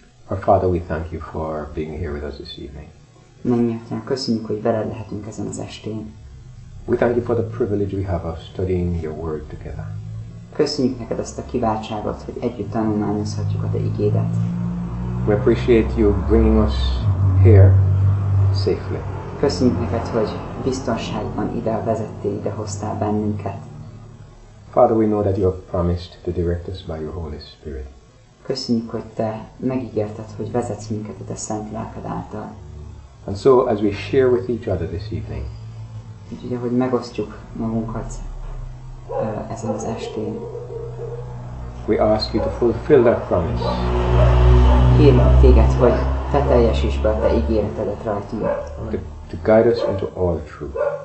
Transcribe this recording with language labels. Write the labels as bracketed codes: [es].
[en] Our Father, we thank you for being here with us this evening. [hu] Mennyi atyán, köszönjük, hogy veled lehetünk ezen az estén. [en] We thank you for the privilege we have of studying your word together. [hu] Köszönjük neked ezt a kiváltságot, hogy együtt tanulmányozhatjuk a te igédet. [en] We appreciate you bringing us here safely. [hu] Köszönjük neked, hogy biztonságban ide vezettél, ide hoztál bennünket. [en] Father, we know that you have promised to direct us by your Holy Spirit. [hu] Köszönjük, hogy te megígérted, hogy vezetsz minket a te szent lelked által. [en] And so, as we share with each other this evening, [hu] ugye, hogy megosztjuk magunkat ezen az estén, [en] we ask you to fulfill that promise. [hu] Kérlek téged, hogy te teljesíts be a te ígéretedet rajtunk. [en] To guide us into all truth.